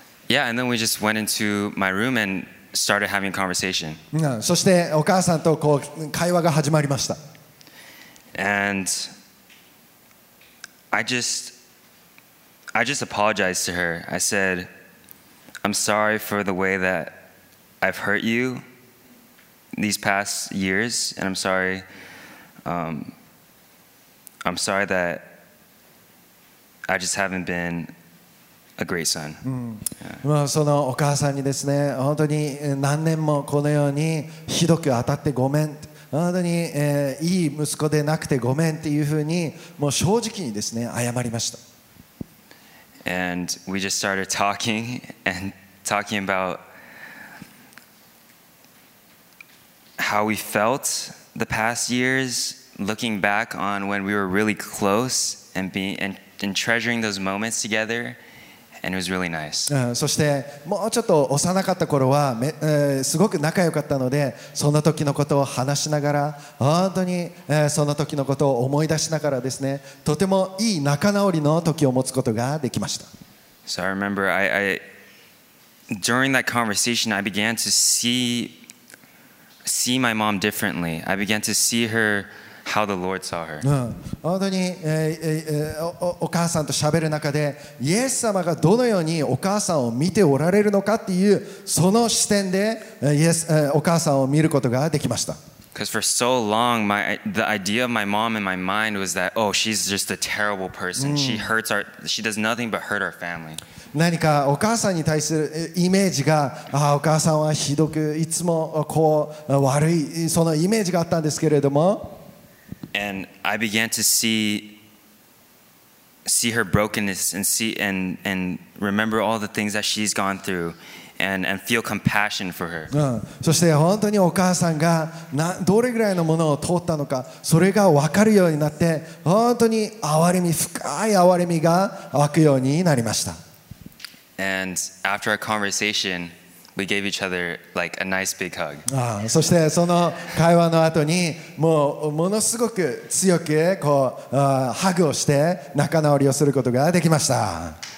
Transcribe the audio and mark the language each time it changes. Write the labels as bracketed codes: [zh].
[en] And then we just went into my room and started having a conversation. [ja] そしてお母さんとこう会話が始まりました。 [en] And I just apologized to her. I said, I'm sorry for the way that I've hurt you these past years, and I'm sorry that I just haven't been a great son. [ja] まあそのお母さんにですね、本当に何年もこのようにひどく当たってごめん。本当に、いい息子でなくてごめんっていうふうにもう正直にですね謝りました。 [en] And we just started talking and talking about how we felt the past years, looking back on when we were really close and treasuring those moments together. And it was really nice. [ja] そしてもうちょっと幼かった頃はすごく仲良かったので、その時のことを話しながら、本当にその時のことを思い出しながらですね、とてもいい仲直りの時を持つことができました。 [en] So I remember I during that conversation I began to see my mom differently. I began to see herHow the Lord saw her. [ja] 本当に、お母さんと喋る中で、イエス様がどのようにお母さんを見ておられるのかっていうその視点で、イエス、お母さんを見ることができました。 [en] Because for so long, the idea of my mom in my mind was that, oh, she's just a terrible person. She does nothing but hurt our family. [ja] 何かお母さんに対するイメージが、ああ、お母さんはひどく、いつもこう悪い、そのイメージがあったんですけれども。 [en] And I began to see her brokenness and see and remember all the things that she's gone through and feel compassion for her. [ja] そして本当にお母さんがどれぐらいのものを通ったのか、それが分かるようになって、本当に憐れみ、深い憐れみが湧くようになりました。 [en] And after our conversation, we gave each other like a nice big hug. [ja] そしてその会話の後に、もうものすごく強くこうハグをして仲直りをすることができました。